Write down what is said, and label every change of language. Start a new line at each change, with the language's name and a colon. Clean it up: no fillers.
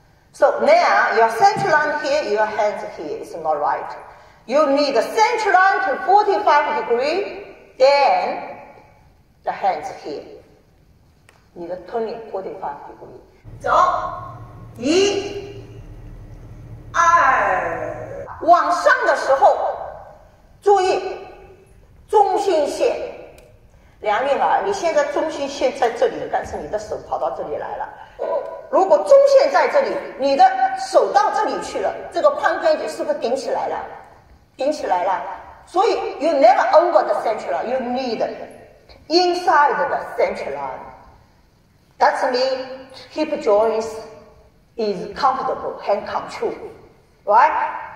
English: So now your central line here, your hands here is not right. You need the central line to 45 degree, then the hands here.
Chinese: 你的
English: turning 45 degree.
Chinese: 走，一、二，往上的时候，注意中心线。梁韵啊，你现在中心线在这里，但是你的手跑到这里来了。如果中线在这里，你的手到这里去了，这个髋关节是不是顶起来了？顶起来了。
English: 所以 you never over the central line, you need inside the central line. That's mean hip joints is comfortable, hand control, right?